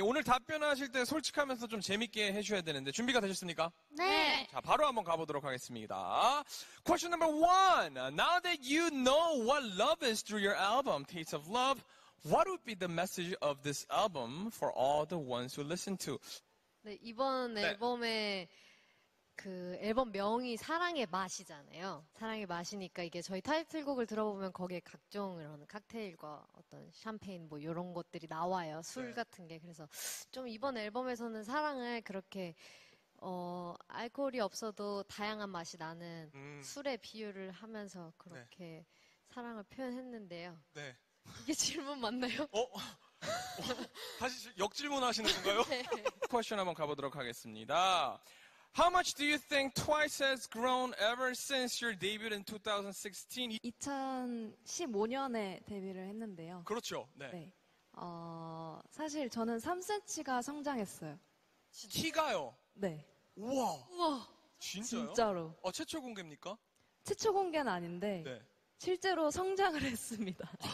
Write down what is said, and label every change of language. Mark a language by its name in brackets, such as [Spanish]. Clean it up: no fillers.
[Korean] 오늘 답변하실 때 솔직하면서 좀 재밌게 해줘야 되는데 준비가 되셨습니까? 네. 자, 바로 한번 가보도록 하겠습니다. [English] Question number one. Now that you know what love is through your album, Taste of Love, what would be the message of this album for all the ones who listen to? [Korean] 네, 이번 네. 앨범에 그 앨범 명이 사랑의 맛이잖아요. 사랑의 맛이니까 이게 저희 타이틀곡을 들어보면 거기에 각종 이런 칵테일과 어떤 샴페인 뭐 이런 것들이 나와요. 술 네. 같은 게. 그래서 좀 이번 앨범에서는 사랑을 그렇게 알코올이 없어도 다양한 맛이 나는 술의 비유를 하면서 그렇게 네. 사랑을 표현했는데요. 네. 이게 질문 맞나요? 다시 역질문 하시는 건가요? 네. 퀘스천 한번 가보도록 하겠습니다. [English] How much do you think Twice has grown ever since your debut in 2016? [Korean] 2015년에 데뷔를 했는데요. 그렇죠. 네. 네. 사실 저는 3cm가 성장했어요. 키가요? 네. 우와. 우와. 진짜요? 진짜로. 최초 공개입니까? 최초 공개는 아닌데 네. 실제로 성장을 했습니다.